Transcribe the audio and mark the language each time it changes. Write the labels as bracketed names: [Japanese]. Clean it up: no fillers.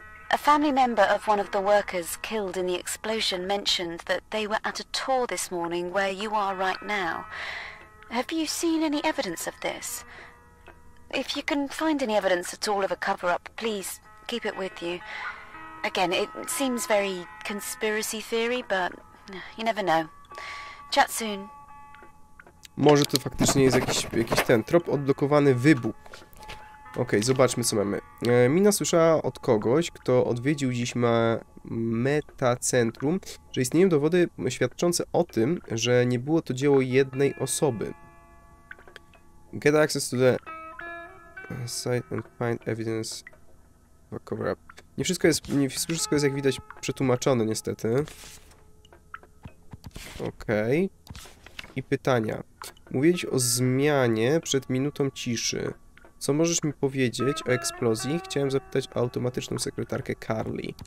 [English] A family member of one of the workers killed in the explosion mentioned that they were at a tour this morning where you are right now. Have you seen any evidence of this? If you can find any evidence at all of a cover-up, please keep it with you. Again, it seems very conspiracy theory, but you never know. Chat soon. [Polish] Może to faktycznie jest jakiś ten trop odblokowany wybuch. Okej, okay, zobaczmy co mamy. Mina słyszała od kogoś, kto odwiedził dziś metacentrum, że istnieją dowody świadczące o tym, że nie było to dzieło jednej osoby. [English] Get access to the site and find evidence of a cover-up. [Polish] Nie wszystko jest jak widać przetłumaczone niestety. Okej. Okay. I pytania. Mówiłeś o zmianie przed minutą ciszy. Co możesz mi powiedzieć o eksplozji? Chciałem zapytać o automatyczną sekretarkę Carly.